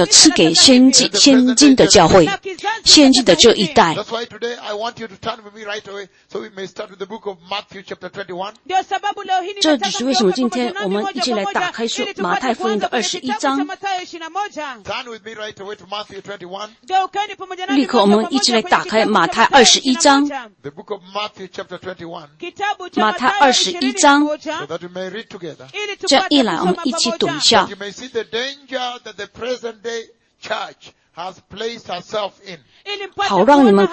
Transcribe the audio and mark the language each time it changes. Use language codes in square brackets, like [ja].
[zh] 人的骄傲，人的自满，追求自己的旨意，整个一切的这样的事情，他们这样错过天堂了，这是非常大的悲剧。现在同样的警告要赐给先进的教会。现今的这一代, [en] that's why today I want you to turn with me right away so we may start with the book of Matthew chapter 21. [zh] 这就是为什么今天我们一起来打开马太福音的21章。 [en] Turn with me right away to Matthew 21. [zh] 立刻我们一起来打开马太21章。 [en] The book of Matthew chapter [zh] 21. 马太21章。 [en] So that we may read together. [zh] 这样一来我们一起读一下。 [en] You may see the danger that the present day church has placed herself in.